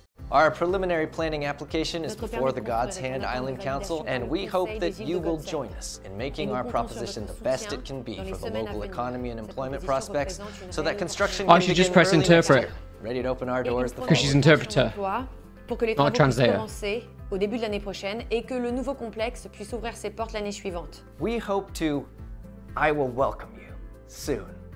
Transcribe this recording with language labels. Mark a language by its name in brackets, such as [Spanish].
[English] Our preliminary planning application is before the God's Hand Island Council, and we hope that you will join us in making our proposition the best it can be for the local economy and employment prospects so that construction can begin. I should just press interpret. Ready to open our doors. Because she's interpreter. [French] Pour que les travaux puissent commencer au début de l'année prochaine et que le nouveau complexe puisse ouvrir ses portes l'année suivante. [English] We hope to I will welcome you soon.